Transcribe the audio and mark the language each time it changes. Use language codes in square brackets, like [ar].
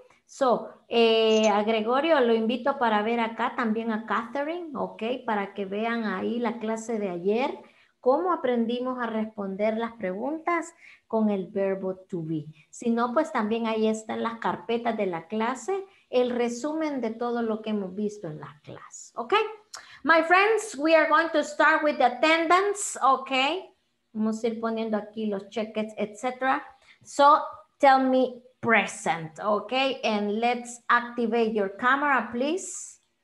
[es] So, a Gregorio lo invito para ver acá, también a Catherine, ok, para que vean ahí la clase de ayer, cómo aprendimos a responder las preguntas con el verbo to be. Si no, pues también ahí están las carpetas de la clase, el resumen de todo lo que hemos visto en la clase, ok. [en] My friends, we are going to start with the attendance, ok. [es] Vamos a ir poniendo aquí los check-ins, etc. [en] So, tell me, present, okay, and let's activate your camera, please.